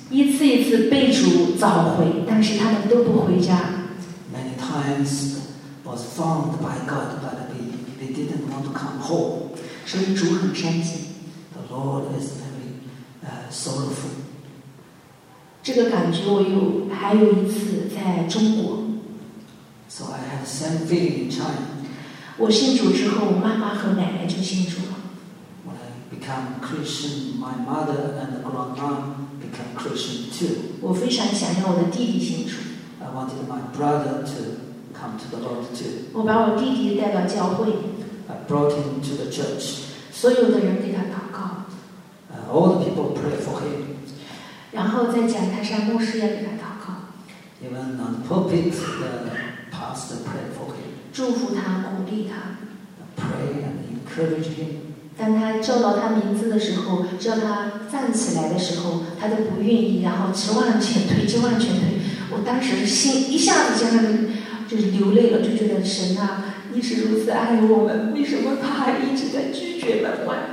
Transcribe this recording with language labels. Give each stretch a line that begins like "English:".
Chinese: 一次一次被主召回，但是他们都不回家。
English: Many times was found by God, but they didn't want to come home.
Chinese: 所以主很伤心。
English: The Lord is very sorrowful.
Chinese: 这个感觉我有，还有一次在中国。
English: So I have same feeling in China.
Chinese: 我信主之后，我妈妈和奶奶就信主了。
English: When I became Christian, my mother and grandma became Christian too.
Chinese: 我非常想让我的弟弟信主。
English: I wanted my brother to come to the Lord too.
Chinese: 我把我弟弟带到教会。
English: I brought him to the church.
Chinese: 所有的人给他祷告。
English: All the people pray for him.
Chinese: 然后在讲台上，牧师也给他祷告。
English: Even on the pulpit, the pastor prayed for him.
Chinese: 祝福他，鼓励他。
English: Pray and encourage him.
Chinese: 当他叫到他名字的时候，叫他站起来的时候，他都不愿意，然后直往前推，直往前推。我当时心一下子就让就是流泪了，就觉得神啊。你是如此爱我们，为什么他还一直在拒绝门外？